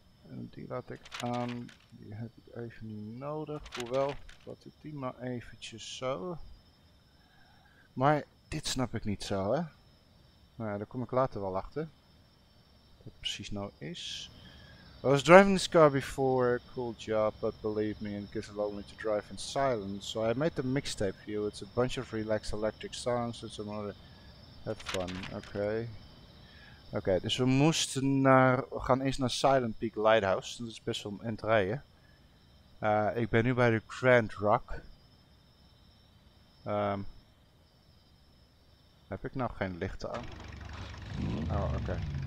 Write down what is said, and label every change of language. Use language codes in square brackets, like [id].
[nl] En die laat ik aan, die heb ik even niet nodig, hoewel, laat ik die maar eventjes zo. Maar dit snap ik niet zo, hè. Nou ja, daar kom ik later wel achter. Wat precies nou is. [en] I was driving this car before, cool job, but believe me, it gets lonely to drive in silence. So I made the mixtape for you, it's a bunch of relaxed electric songs and some other. Have fun, okay. [nl] Oké, dus we moesten naar. We gaan eerst naar Silent Peak Lighthouse. Dat is best wel een eind rijden. Ik ben nu bij de Grand Rock. Heb ik nou geen lichten aan? Oh, oké. Okay.